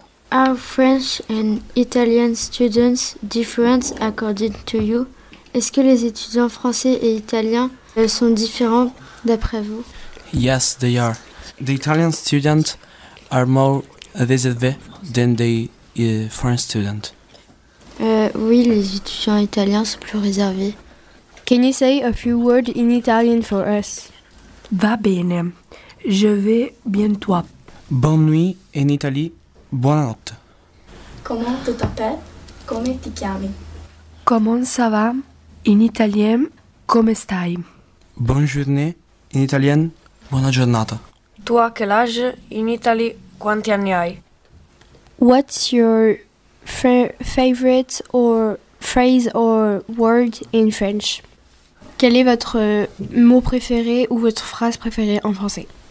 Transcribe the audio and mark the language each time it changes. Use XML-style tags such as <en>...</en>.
<en>Are French and Italian students different according to you?</en> <fr>Est-ce que les étudiants français et italiens sont différents d'après vous?</fr> <en>Yes, they are. The Italian students are more réservés than the French students.</en> <fr>Oui, les étudiants italiens sont plus réservés.</fr> <en>Can you say a few words in Italian for us?</en> <it>Va bene.</it> <fr>Je vais bientôt. Bonne nuit en Italie.</fr> <it>Buonanotte.</it> <fr>Comment tu t'appelles?</fr> <it>Come ti chiami?</it> <fr>Comment ça va? In italien,</fr> <it>come stai?</it> <fr>Bonne journée. In italien,</fr> <it>buona giornata.</it> <fr>Tu a quel âge? In Italy,</fr> <it>quanti anni hai?</it> <en>What's your favorite or phrase or word in French?</en> <fr>Quel est votre mot préféré ou votre phrase préférée en français?</fr>